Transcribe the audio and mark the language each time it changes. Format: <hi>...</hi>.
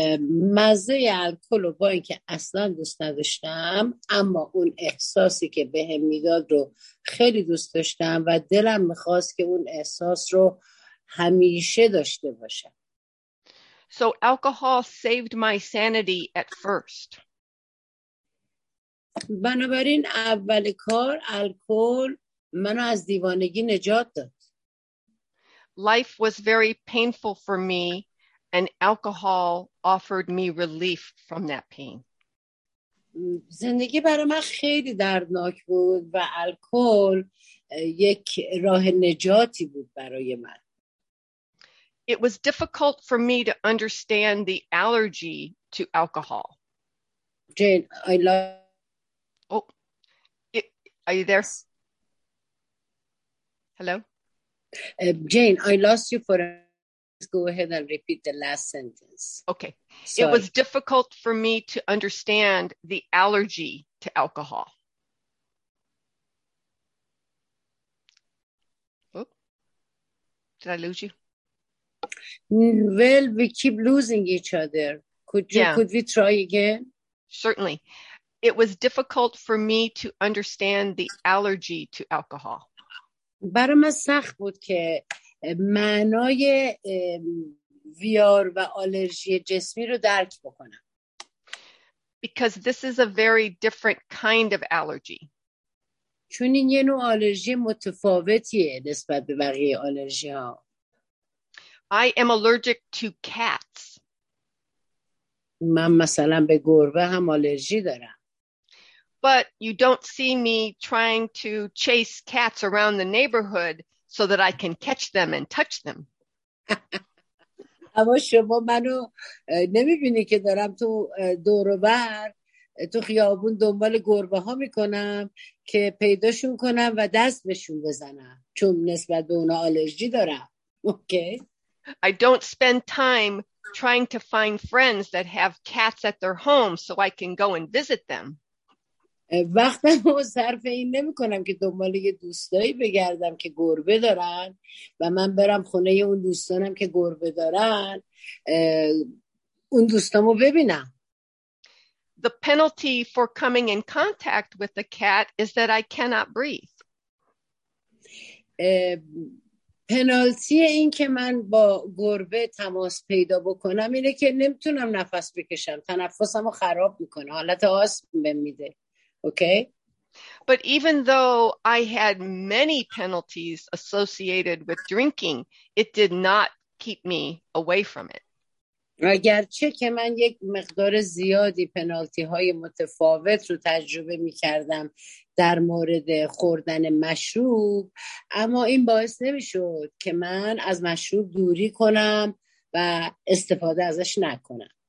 <fa>مزه الکل رو با اینکه اصلا دوست نداشتم، اما اون احساسی که بهم میداد رو خیلی دوست داشتم و دلم میخواست که اون احساس رو همیشه داشته باشم.</fa> <en>So alcohol saved my sanity at first.</en> <fa>بنابراین اول کار الکل منو از دیوانگی نجات داد.</fa> <en>Life was very painful for me, and alcohol offered me relief from that pain.</en> <fa>زندگی برای من خیلی دردناک بود و الکل یک راه نجاتی بود برای من.</fa> <en>It was difficult for me to understand the allergy to alcohol. Jane, I love. Are you there? Hello? Jane, I lost you for a minute. Go ahead and repeat the last sentence. Okay. Sorry. It was difficult for me to understand the allergy to alcohol. Oh, did I lose you? Well, we keep losing each other. Could we try again? Certainly. It was difficult for me to understand the allergy to alcohol.</en> <fa>برای من سخت بود که معنای ویار و آلرژی جسمی رو درک بکنم.</fa> <en>Because this is a very different kind of allergy.</en> <fa>چون این یه نوع آلرژی متفاوتیه نسبت به بقیه آلرژی ها.</fa> <en>I am allergic to cats.</en> <fa>من مثلا به گربه هم آلرژی دارم.</fa> <en>But you don't see me trying to chase cats around the neighborhood so that I can catch them and touch them.</en> <fa>اما شما منو نمیبینی که دارم تو دور و بر تو خیابون دنبال گربه ها میکنم که پیداشون کنم و دست بهشون بزنم چون نسبت به اونا آلرژی دارم.</fa> <en>I don't spend time trying to find friends that have cats at their home so I can go and visit them.</en> <fa>وقتم رو صرف این نمی کنم که دنبال یه دوستایی بگردم که گربه دارن و من برم خونه اون دوستانم که گربه دارن اون دوستامو ببینم.</fa> <en>The penalty for coming in contact with the cat is that I cannot breathe.</en> <fa>پنالتی این که من با گربه تماس پیدا بکنم اینه که نمیتونم نفس بکشم، تنفسمو خراب میکنه، حالت آسم بهم میده.</fa> <en>Okay. But even though I had many penalties associated with drinking, it did not keep me away from it.</en> <fa>اگرچه که من یک مقدار زیادی پنالتی های متفاوت رو تجربه می کردم در مورد خوردن مشروب، اما این باعث نمی شد که من از مشروب دوری کنم و استفاده ازش نکنم.</fa>